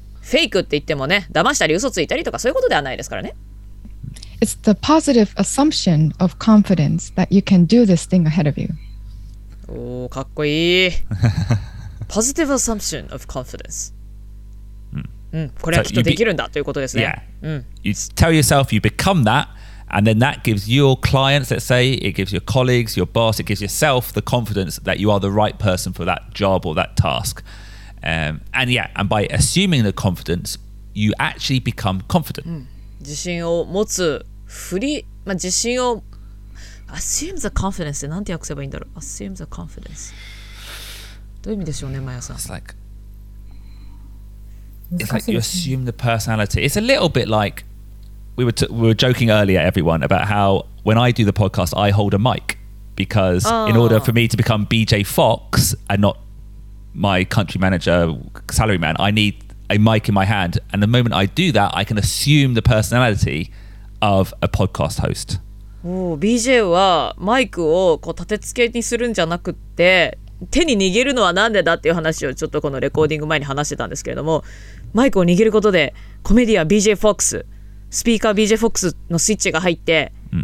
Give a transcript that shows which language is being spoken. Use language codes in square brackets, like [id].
[ja] Fake って言ってもね、騙したり嘘ついたりとかそういうことではないですからね。 [en] It's the positive assumption of confidence that you can do this thing ahead of you. [ja] おー、かっこいい。 [en] Positive assumption of confidence. [ja] これはきっとできるんだということですね。 [en] You tell yourself you become that. And then that gives your clients, let's say, it gives your colleagues, your boss, it gives yourself the confidence that you are the right person for that job or that task. And by assuming the confidence, you actually become confident. [ja] 自信を持つ振り、まあ、自信を [en] assume the confidence [ja] って何て訳せばいいんだろう。 [en] Assume the confidence. [ja] どういう意味でしょうね、マヤさん。 [en] It's like you assume the personality. It's a little bit like,We were joking earlier, everyone, about how when I do the podcast, I hold a mic because in order for me to become BJ Fox and not my country manager, salaryman, I need a mic in my hand. And the moment I do that, I can assume the personality of a podcast host. [ja] Oh, BJ はマイクをこう立て付けにするんじゃなくて手に握るのはなんでだっていう話をちょっとこのレコーディング前に話してたんですけれども、マイクを握ることでコメディアン BJ Fox。スピーカー BJ Fox のスイッチが入って、